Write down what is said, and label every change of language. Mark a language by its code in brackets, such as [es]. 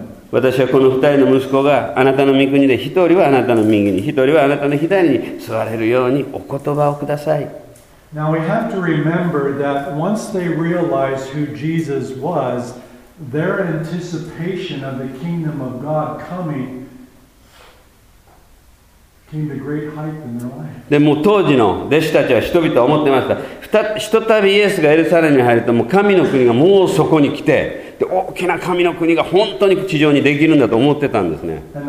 [ja] 私はこの二人の息子があなたの御国で一人はあなたの右に一人はあなたの左に座れるようにお言葉をください。 [en] Now we have to remember that once they realized who Jesus was, their anticipation of the kingdom of God coming came to great height in their life. [ja] でも当時の弟子たちは人々は思ってました。ひとたびイエスがエルサレムに入るともう神の国がもうそこに来て、で大きな神の国が本当に地上にできるんだと思ってたんですね。